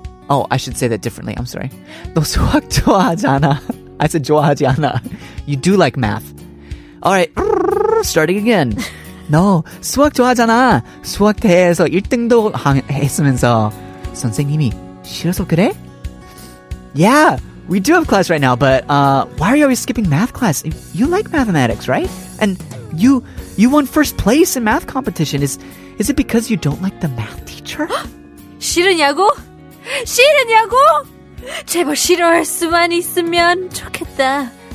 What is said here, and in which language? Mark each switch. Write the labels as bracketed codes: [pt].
[en] Oh, I should say that differently. I'm sorry. [ko] 너 수학 좋아하지 않아? [en] I said [ko] 좋아하지 않아. [en] You do like math. All right. Starting again. [ko] No, 수학 좋아하잖아. 수학 대회에서 1등도 했으면서 선생님이 싫어서 그래? [en] Yeah, we do have class right now, but why are you always skipping math class? You like mathematics, right? And you won first place in math competition. Is it because you don't like the math teacher? [ko] 싫으냐고? 싫으냐고? 제발 싫어할 수만 있으면 좋겠다.